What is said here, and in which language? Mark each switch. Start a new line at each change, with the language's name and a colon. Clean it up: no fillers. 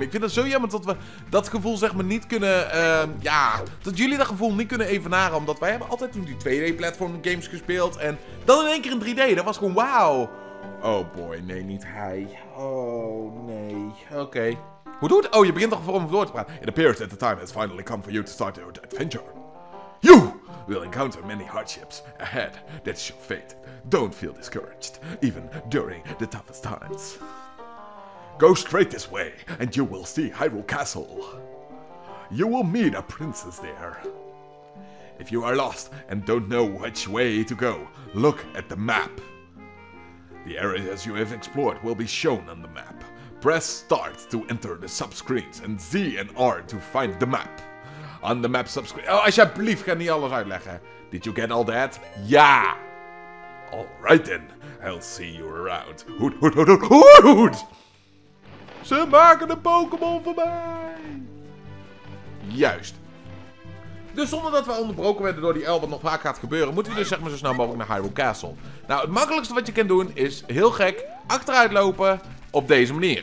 Dutch: Ik vind het zo jammer dat we dat gevoel zeg maar niet kunnen. Dat jullie dat gevoel niet kunnen evenaren. Omdat wij hebben altijd toen die 2D platform games gespeeld. En dan in één keer in 3D. Dat was gewoon wauw.
English: Oh boy,
Dutch: nee, niet hij. Oh nee. Oké. Hoe doet het? Oh, je begint toch voor hem door te praten.
English: It appears that the time has finally come for you to start your adventure. You will encounter many hardships ahead. That's your fate. Don't feel discouraged, even during the toughest times. Go straight this way, and you will see Hyrule Castle. You will meet a princess there. If you are lost and don't know which way to go, look at the map. The areas you have explored will be shown on the map. Press start to enter the subscreens and Z and R to find the map. On the map subscreen.
Dutch: Oh, alsjeblieft, ga niet alles uitleggen.
English: Did you get all that?
Dutch: Ja!
English: Alright then, I'll see you around.
Dutch: Hoed, hoed, hoed, hoed, hoed, hoed! Ze maken een Pokémon voor mij! Juist. Dus zonder dat we onderbroken werden door die L, wat nog vaak gaat gebeuren, moeten we dus zeg maar zo snel mogelijk naar Hyrule Castle. Nou, het makkelijkste wat je kan doen is, heel gek, achteruit lopen. Op deze manier.